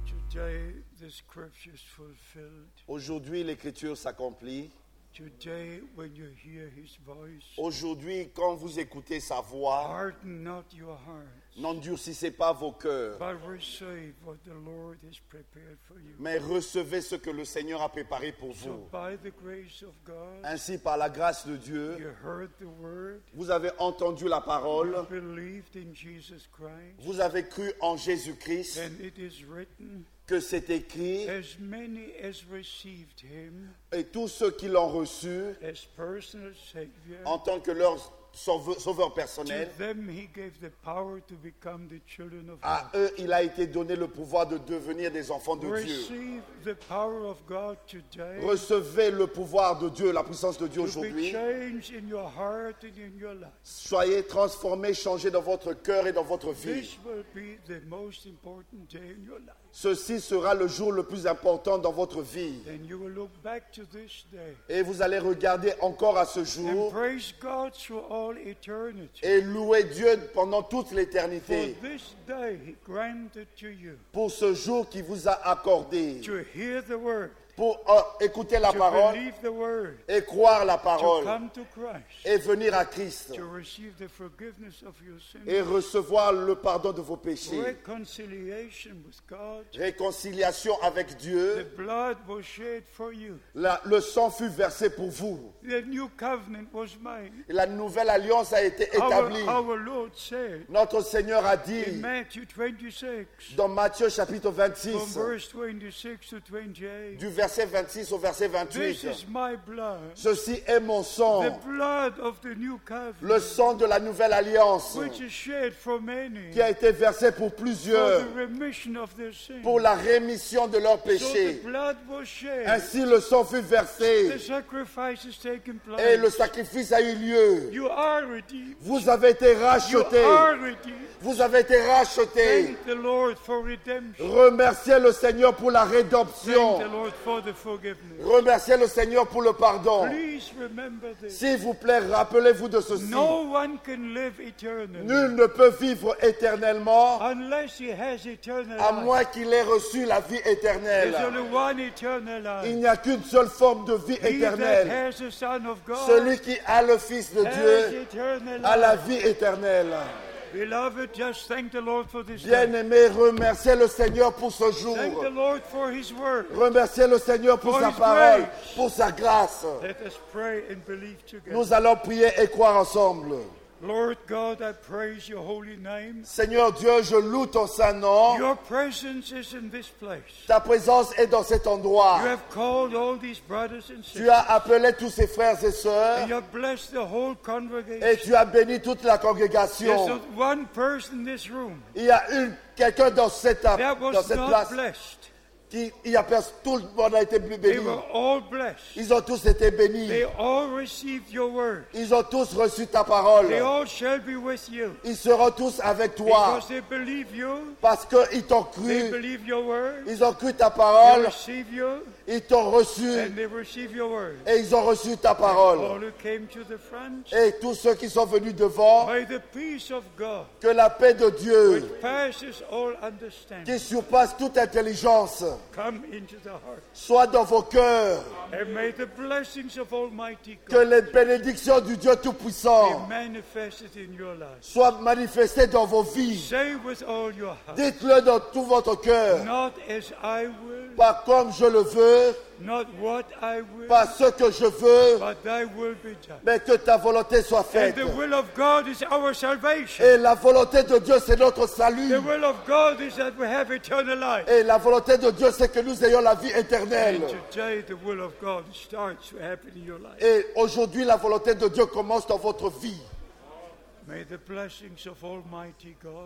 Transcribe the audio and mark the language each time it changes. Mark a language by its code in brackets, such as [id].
[en] Today, the scripture is fulfilled. [fr] Aujourd'hui, l'écriture s'accomplit. [en] Today, when you hear his voice, [fr] aujourd'hui, quand vous écoutez sa voix, [en] harden not your hearts, [fr] n'endurcissez pas vos cœurs, [en] but receive what the Lord has prepared for you. [fr] Mais recevez ce que le Seigneur a préparé pour vous. [en] So by the grace of God, [fr] ainsi, par la grâce de Dieu, [en] you heard the word, [fr] vous avez entendu la parole, [en] you believed in Jesus Christ, [fr] vous avez cru en Jésus-Christ, [en] and it is written, [fr] que c'est écrit, [en] as many as received him, [fr] et tous ceux qui l'ont reçu [en] as personal savior, [fr] en tant que leur sauveur personnel, [en] to them he gave the power to become the children of [fr] God. À eux, il a été donné le pouvoir de devenir des enfants de [en] receive [fr] Dieu. [en] The power of God today, [fr] recevez le pouvoir de Dieu, la puissance de Dieu aujourd'hui. [en] To be changed in your heart and in your life. [fr] Soyez transformés, changés dans votre cœur et dans votre vie. [en] This will be the most important day in your life. [fr] Ceci sera le jour le plus important dans votre vie. [en] And you will look back to this day. [fr] Et vous allez regarder encore à ce jour. [en] And praise God for all eternity. [fr] Et louer Dieu pendant toute l'éternité. [en] For this day he granted to you. [fr] Pour ce jour qu'il vous a accordé. [en] To hear the word. [fr] Pour écouter la [en] to [fr] parole [en] believe the word, [fr] et croire la parole [en] to come to Christ, [fr] et venir à Christ [en] to receive the forgiveness of your sins, [fr] et recevoir le pardon de vos péchés. [en] Reconciliation with God, [fr] réconciliation avec Dieu. [en] The blood was shed for you. [fr] Le sang fut versé pour vous. [en] The new covenant was made. [fr] La nouvelle alliance a été établie. [en] Our Lord said, [fr] notre Seigneur a dit [en] in Matthew 26, [fr] dans Matthieu chapitre 26, [en] from verse 26 to 28, [fr] du verset 26 au verset 28. [en] This is my blood, [fr] ceci est mon sang. [en] The blood of the new covenant, [fr] le sang de la nouvelle alliance, [en] which is shed for many, [fr] qui a été versé pour plusieurs, [en] for the remission of their sins, [fr] pour la rémission de leurs péchés. [en] So the blood was shed, [fr] ainsi le sang fut versé. [en] The sacrifice is taking place, [fr] et le sacrifice a eu lieu. [en] You are redeemed, [fr] vous avez été racheté. [en] You are redeemed, [fr] vous avez été racheté. [en] Thank the Lord for redemption. [fr] Remerciez le Seigneur pour la rédemption. [en] Thank the Lord for the forgiveness. [fr] Remerciez le Seigneur pour le pardon. [en] Please remember this. [fr] S'il vous plaît, rappelez-vous de ceci. [en] No one can live eternally. [fr] Nul ne peut vivre éternellement. [en] Unless he has eternal life. [fr] À moins qu'il ait reçu la vie éternelle. [en] There's only one eternal life. [fr] Il n'y a qu'une seule forme de vie éternelle. [en] He that has the Son of God, [fr] celui qui a le Fils de [en] has [fr] Dieu [en] eternal life. [fr] A la vie éternelle. [en] Beloved, just thank the Lord for this [fr] bien-aimé, remerciez le Seigneur pour ce jour. [en] Thank the Lord for his word, [fr] remerciez le Seigneur pour [en] for [fr] sa [en] his [fr] parole, [en] grace, [fr] pour sa grâce. [en] Let us pray and believe together. [fr] Nous allons prier et croire ensemble. [en] Lord God, I praise your holy name. [fr] Seigneur Dieu, je loue ton saint nom. [en] Your presence is in this place. [fr] Ta présence est dans cet endroit. [en] You have called all these brothers and sisters. [fr] Tu as appelé tous ces frères et sœurs. [en] And you have blessed the whole congregation. [fr] Et tu as béni toute la congrégation. [en] There's not one person in this room. [fr] Il y a une quelqu'un dans cette [en] that was [fr] dans cette [en] not [fr] place. [en] Blessed. [fr] Il y a tout le monde a été béni. Ils ont tous été bénis. [en] They all received your word. [fr] Ils ont tous reçu ta parole. [en] They all shall be with you. [fr] Ils seront tous avec toi. [en] Because they believe you. [fr] Parce qu'ils t'ont cru. [en] They believe your word. [fr] Ils ont cru ta parole. [en] They receive you. [fr] Ils t'ont reçu. [en] And they receive your word. [fr] Et ils ont reçu ta parole. [en] And all who came to the front, [fr] et tous ceux qui sont venus devant. [en] By the peace of God, [fr] que la paix de Dieu. [en] Which passes all understanding, [fr] qui surpasse toute intelligence. [en] Come into the heart. [fr] Sois dans vos cœurs. [en] And may the blessings of Almighty God, [fr] que les bénédictions du Dieu Tout-Puissant [en] be manifested in your life, [fr] soient manifestées dans vos vies. [en] Say with all your heart, [fr] dites-le dans tout votre cœur. [en] Not as I will, [fr] pas comme je le veux. [en] Not what I will, [fr] pas ce que je veux. [en] But thy will be done. [fr] Mais que ta volonté soit faite. [en] And the will of God is our salvation. [fr] Et la volonté de Dieu, c'est notre salut. [en] The will of God is that we have eternal life. [fr] Et la volonté de Dieu, c'est que nous ayons la vie éternelle. [en] And today the will of God starts to happen in your life. [fr] Et aujourd'hui, la volonté de Dieu commence dans votre vie. [en] May the blessings of Almighty God,